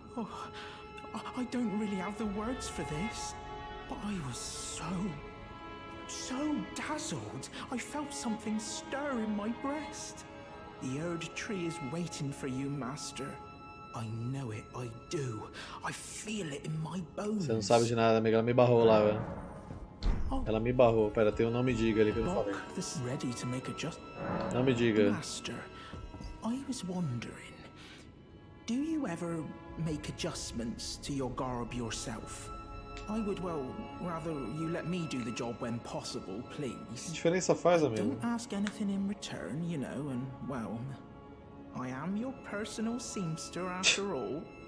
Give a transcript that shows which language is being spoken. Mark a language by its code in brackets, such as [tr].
[en] I don't really have the words for this. But I was so dazzled, I felt something stir in my breast. The Erd tree is waiting for you, master. I know it, I do. I feel it in my bones. [pt] Você não sabe de nada, amiga. Ela me barrou lá, velho. Ela me barrou. Pera, tem um nome diga ali que eu não falei. [en] Ready to make adjust... [pt] Não me diga. [en] Master, I was wondering, do you ever make adjustments to your garb yourself? I would, well, rather you let me do the job when possible, please. [pt] Que diferença faz, amigo? [en] Don't ask anything in return, you know, and, well, I am your personal seamster after all.